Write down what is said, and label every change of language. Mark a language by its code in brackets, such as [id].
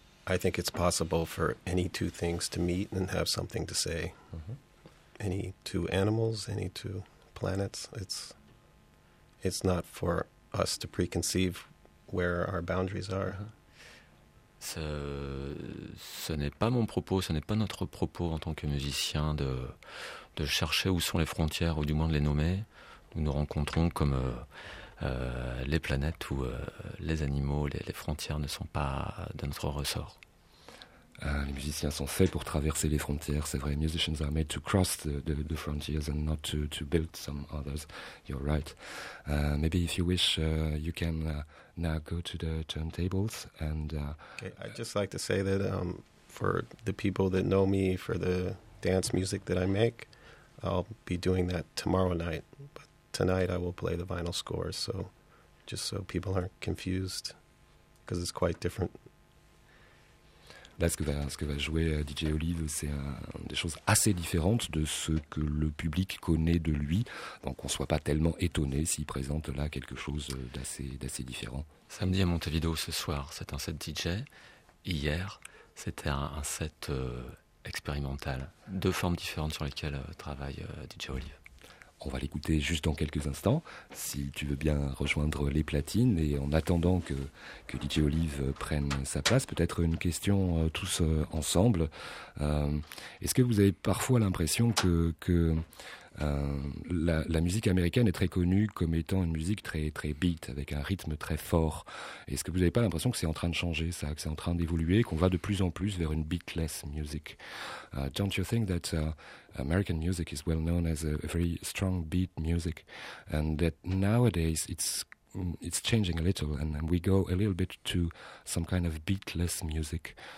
[en] I think it's possible for any two things to meet and have something to say. Mm-hmm. Any two animals, any two planets. It's not for us to preconceive where our boundaries are. [fr] Ce n'est pas mon propos, ce n'est pas notre propos en tant que musicien de chercher où sont les frontières ou du moins de les nommer. Nous nous rencontrons comme les planètes ou les animaux, les frontières ne sont pas de notre ressort. Les musiciens sont faits pour traverser les frontières, c'est vrai. [en] Musicians are made to cross the frontiers and not to build some others. You're right. Maybe if you wish, you can now go to the turntables and. Okay, I'd just like to say that for the people that know me for the dance music that I make, I'll be doing that tomorrow night. But tonight I will play the vinyl scores, so just so people aren't confused, because it's quite different. [fr] Là, ce que va jouer DJ Olive, c'est des choses assez différentes de ce que le public connaît de lui. Donc, on ne soit pas tellement étonné s'il présente là quelque chose d'assez différent. Samedi à Montevideo, ce soir, c'est un set DJ. Hier, c'était un set expérimentale. Deux formes différentes sur lesquelles travaille DJ Olive. On va l'écouter juste dans quelques instants, si tu veux bien rejoindre les platines. Et en attendant que DJ Olive prenne sa place, peut-être une question tous ensemble. Est-ce que vous avez parfois l'impression que la musique américaine est très connue comme étant une musique très, très beat, avec un rythme très fort? Est-ce que vous n'avez pas l'impression que c'est en train de changer, ça, que c'est en train d'évoluer, qu'on va de plus en plus vers une beatless music? [en] Don't you think that American music is well known as a very strong beat music, and that nowadays it's changing a little, and we go a little bit to some kind of beatless music?